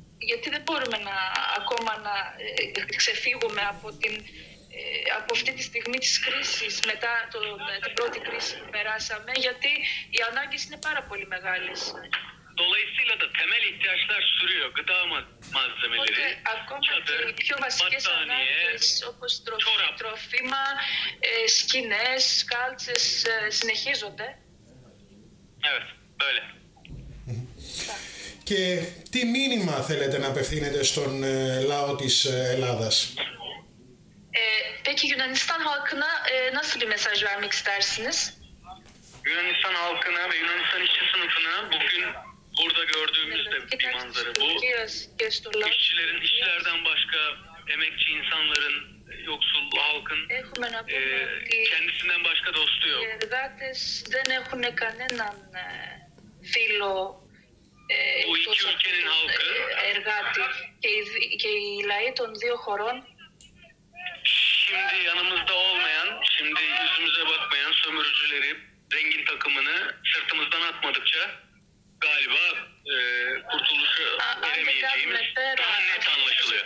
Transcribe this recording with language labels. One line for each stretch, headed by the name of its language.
Greek: Γιατί δεν μπορούμε να, ακόμα να ξεφύγουμε από, την, από αυτή τη στιγμή της κρίσης, μετά το, την πρώτη κρίση που περάσαμε, γιατί οι ανάγκες είναι πάρα πολύ μεγάλες.
Turkish: Dolayısıyla da temel ihtiyaçlar sürüyor. Gıda malzemeleri, çadır, battaniye,
Greek: τρόφιμα, σκηνές, κάλτσες συνεχίζονται.
Turkish: Evet, böyle.
Greek: Και τι μήνυμα θέλετε να απευθύνετε στον λαό της Ελλάδας?
Turkish: Peki Yunanistan halkına nasıl bir mesaj vermek istersiniz? Yunanistan halkına ve Yunanistan işçi sınıfına bugün burada gördüğümüz de bir manzara bu. İşçilerin, işçilerden başka emekçi insanların, yoksul halkın kendisinden başka dostu yok.
Greek: Δεν έχουν κανέναν φίλο.
Turkish: Bu iki ülkenin halkı,
Greek: εργάτη, και οι λαοί των δύο χωρών.
Turkish: Şimdi yanımızda olmayan, şimdi yüzümüze bakmayan sömürücüleri, rengin takımını sırtımızdan atmadıkça galiba kurtuluşu göremeyeceğimiz daha net anlaşılıyor.